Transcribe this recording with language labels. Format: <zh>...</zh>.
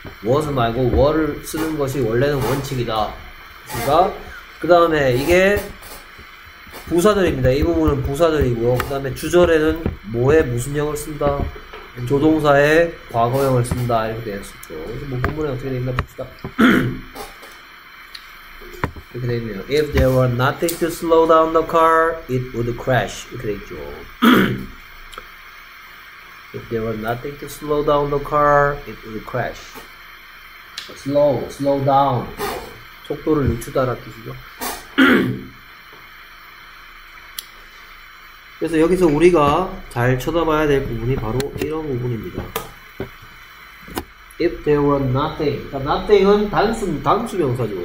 <ko>was 말고 were를 쓰는 것이 원래는 원칙이다. 그러니까 그 다음에 이게 부사들입니다. 이 부분은 부사들이고요. 그 다음에 주절에는 뭐에 무슨 형을 쓴다? 조동사에 과거형을 쓴다. 이렇게 되어있었죠. 그래서 뭐 본문에 어떻게 되어있나 봅시다. 이렇게 되어있네요.</ko> <en>If there were nothing to slow down the car, it would crash.</en> <ko>이렇게 되어있죠.</ko> <en>If there were nothing to slow down the car, it would crash. Slow down.</en> <ko>속도를 늦추다라는 뜻이죠. 그래서 여기서 우리가 잘 쳐다봐야 될 부분이 바로 이런 부분입니다.</ko> <en>If there were nothing. Nothing은</en> <ko>단수 명사죠.</ko>